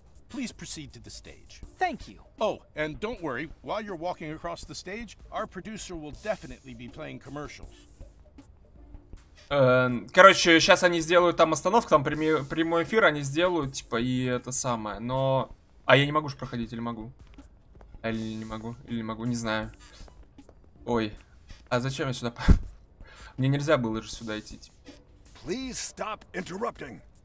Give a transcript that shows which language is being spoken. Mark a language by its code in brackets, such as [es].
[en] Please proceed to the stage. Thank you. Oh, and don't worry, while you're walking across the stage, our producer will definitely be playing commercials. [ru] Короче, сейчас они сделают там остановку, там прямой эфир они сделают, типа, и это самое, но... А я не могу же проходить, или могу? Или не могу, не знаю. Ой, а зачем я сюда... Мне нельзя было же сюда идти, типа. [en] Please stop interrupting.